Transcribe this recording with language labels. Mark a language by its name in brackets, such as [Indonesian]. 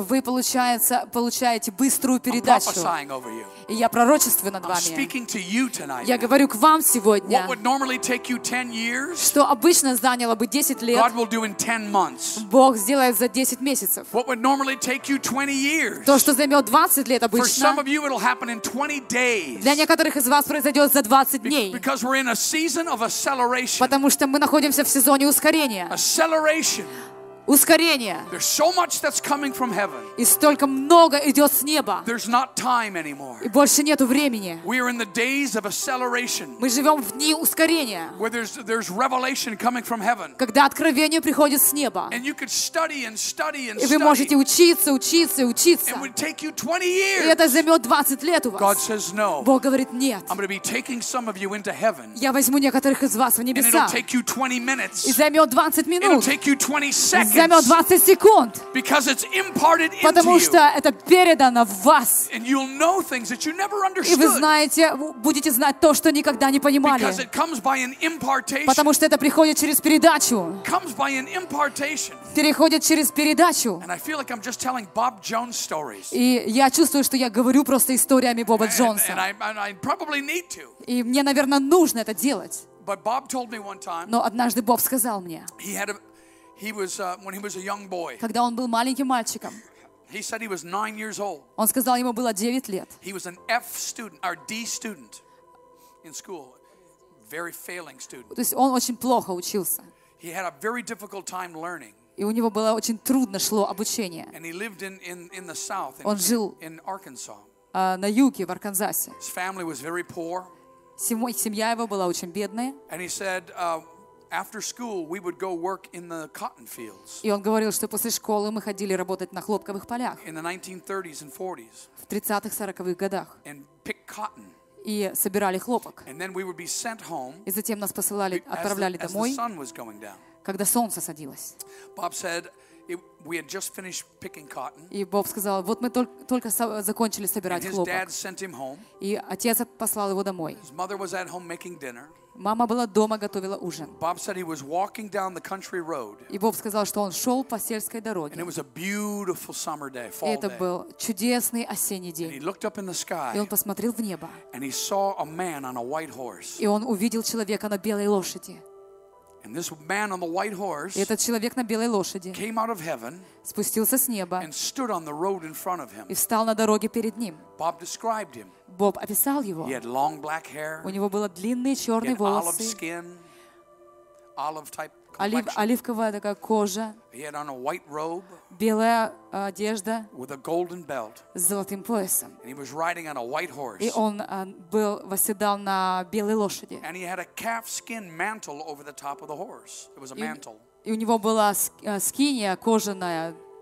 [Russian] Вы получаете быструю передачу. [English] I'm prophesying over you. [Russian] И я пророчествую над вами. [English] I'm speaking to you tonight. [Russian] Я говорю к вам сегодня. [English] What would normally take you 10 years? [Russian] Что обычно заняло бы 10 лет. [English] God will do in 10 months. [Russian] Бог сделает за 10 месяцев. [English] What would normally take you 20 years? [Russian] То, что займет 20 лет обычно. [English] For some of you it'll happen in 20 days. [Russian] Для некоторых из вас произойдет за 20 дней. [English] Because we're in a season of acceleration. [Russian] Потому что мы находимся в сезоне ускорения. [English] Acceleration. [Russian] Ускорение. [English] There's so much that's coming from heaven. [Russian] И столько много идет с неба. [English] There's not time anymore. [Russian] И больше нету времени. [English] We are in the days of acceleration. [Russian] Мы живем в дни ускорения. [English] Where there's revelation coming from heaven. [Russian] Когда откровение приходит с неба. [English] And you could study and study and study. [Russian] И вы можете учиться, учиться, учиться. [English] And it would take you 20 years. [Russian] И это займет 20 лет у вас. [English] God says no. [Russian] Бог говорит нет. [English] I'm going to be taking some of you into heaven. [Russian] Я возьму некоторых из вас в небеса. [English] And it'll take you 20 minutes. [Russian] И займет 20 минут. [English] It'll take you 20 seconds. [Russian] Займет 20 секунд. [English] Because it's imparted into [Russian] потому что это передано в вас. [English] And you'll know things that you never understood. [Russian] И вы знаете, будете знать то, что никогда не понимали. [English] Because it comes by an impartation. [Russian] Потому что это приходит через передачу. [English] Comes by an impartation. [Russian] Переходит через передачу. [English] And I feel like I'm just telling Bob Jones stories. [Russian] И я чувствую, что я говорю просто историями Боба Джонса. [English] And I probably need to. [Russian] И мне, наверное, нужно это делать. [English] But Bob told me one time, [Russian] но однажды Боб сказал мне, [English] when he was a young boy. [Russian] Когда он был маленьким мальчиком. [English] He said he was 9 years old. [Russian] Он сказал, ему было 9 лет. [English] He was an F student or D student in school. Very failing student. [Russian] То есть он очень плохо учился. [English] He had a very difficult time learning. [Russian] И у него было очень трудно шло обучение. [English] And he lived in the south. [Russian] Он жил [English] in Arkansas. [Russian] На юге в Арканзасе. [English] His family was very poor. [Russian] Семья его была очень бедная. [English] And he said after school, we would go work in the cotton fields. [Russian] И он говорил, что после школы мы ходили работать на хлопковых полях. [English] In the 1930s and 40s. [Russian] В 30-40-х годах. [English] And pick cotton. [Russian] И собирали хлопок. [English] And then we would be sent home. [Russian] И затем нас посылали, отправляли домой. [English] As the sun was going down. [Russian] Когда солнце садилось. [English] Bob said, we had just finished picking cotton. [Russian] И Боб сказал, вот мы только закончили собирать хлопок. [English] And his dad sent him home. [Russian] И отец послал его домой. [English] His mother was at home making dinner. [Russian] Мама была дома, готовила ужин. [English] Bob said he was walking down the country road. [Russian] И Боб сказал, что он шел по сельской дороге. [English] And it was a beautiful summer day, fall day. [Russian] Это был чудесный осенний день. [English] And he looked up in the sky. [Russian] И он посмотрел в небо. [English] And he saw a man on a white horse. [Russian] И он увидел человека на белой лошади. [English] And this man on the white horse. [Russian] Этот человек на белой лошади. [English] Came out of heaven. [Russian] Спустился с неба. [English] And stood on the road in front of him. [Russian] И встал на дороге перед ним. [English] Bob described him. [Russian] Боб описал его. [English] He had long black hair. [Russian] У него было длинные черные волосы. [English] He had olive skin. Olive type complexion. [Russian] Оливковая такая кожа. [English] He had on a white robe. [Russian] Белая одежда. [English] With a golden belt. [Russian] С золотым поясом. [English] And he was riding on a white horse. [Russian] И он был восседал на белой лошади. [English] And he had a calfskin mantle over the top of the horse. It was a mantle. [Russian] И у него была скиния кожаная.